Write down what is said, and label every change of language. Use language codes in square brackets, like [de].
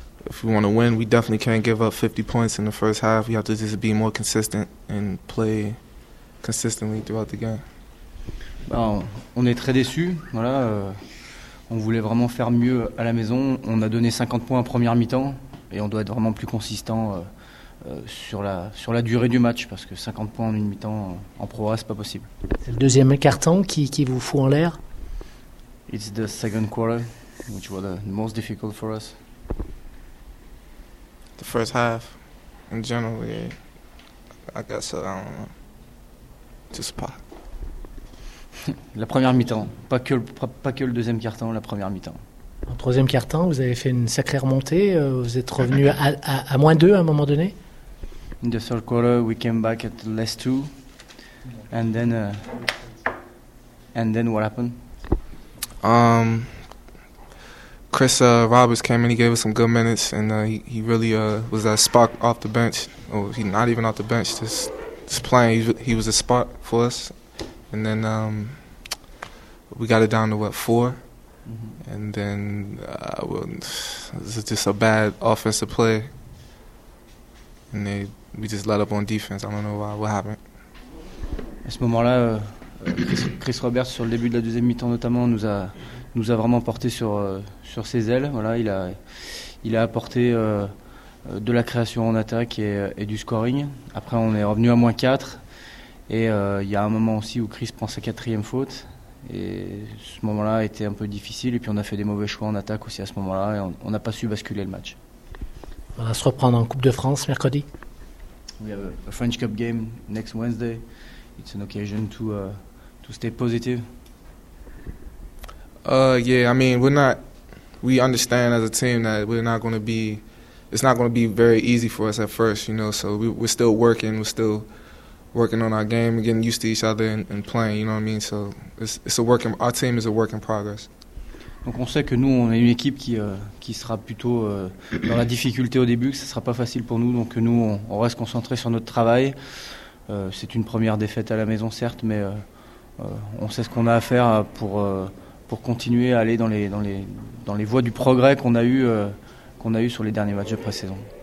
[en] If we want to win, we definitely can't give up 50 points in the first half. We have to just be more consistent and play consistently throughout the game. [fr] Bah, on est très déçus. Voilà, on voulait vraiment faire mieux à la maison. On a donné 50 points en première mi-temps et on doit être vraiment plus consistant sur la durée du match parce que 50 points en une mi-temps en Pro A, c'est pas possible. C'est le deuxième carton qui vous fout en l'air. [en] It's the second quarter, which was the most difficult for us. The first half, in general, yeah. I guess, I don't know. Just pas. [fr] La première mi-temps, pas que le deuxième quart-temps, la première mi-temps. En troisième quart-temps, vous avez fait une sacrée remontée. Vous êtes revenu à moins deux à un moment donné. [en] In the third quarter, we came back at less two, and then what happened? Chris Roberts came in. He gave us some good minutes, and he really was that spark off the bench. Oh, not even off the bench, just playing. He was a spark for us. And then we got it down to what, four? Mm-hmm. And then it was just a bad offensive play. And we just let up on defense. I don't know why, what happened. [fr] À ce moment-là, Chris Roberts, sur le début de la deuxième mi-temps notamment, nous a vraiment porté sur ses ailes. Voilà, il a apporté de la création en attaque et du scoring. Après, on est revenu à moins 4. Et il y a un moment aussi où Chris prend sa quatrième faute. Et ce moment-là était un peu difficile. Et puis on a fait des mauvais choix en attaque aussi à ce moment-là. Et on n'a pas su basculer le match. On va se reprendre en Coupe de France mercredi. [en] We have a French Cup game next Wednesday. It's an occasion to stay positive. Yeah, I mean, we understand as a team that it's not going to be very easy for us at first, you know. So we're still working, working on our game, getting used to each other and playing, you know what I mean? So our team is a work in progress. [fr] Donc on sait que nous on est une équipe qui sera plutôt dans la difficulté au début, que ça sera pas facile pour nous, donc nous on reste concentré sur notre travail. C'est une première défaite à la maison certes, mais on sait ce qu'on a à faire pour continuer à aller dans les voies du progrès qu'on a eu sur les derniers matchs de pré-saison.